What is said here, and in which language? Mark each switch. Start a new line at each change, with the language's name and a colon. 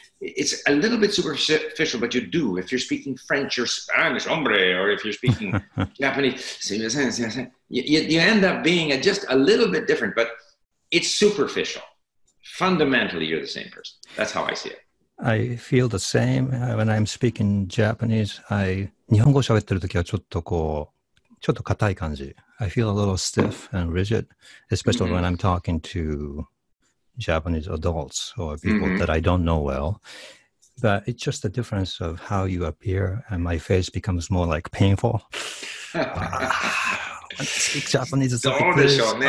English: It's a little bit superficial, but you do. If you're speaking French or Spanish, hombre, or if you're speaking Japanese, you end up being just a little bit different, but it's superficial. Fundamentally, you're the same person. That's how I see it. I feel the same when I'm speaking Japanese.
Japanese: I 日本語喋ってる時はちょっとこうちょっと硬い感じ。
English: I feel a little stiff and rigid, especially when I'm talking to Japanese adults or people that I don't know well. But it's just the difference of how you appear, and my face becomes more like painful. When I speak Japanese, it's like this.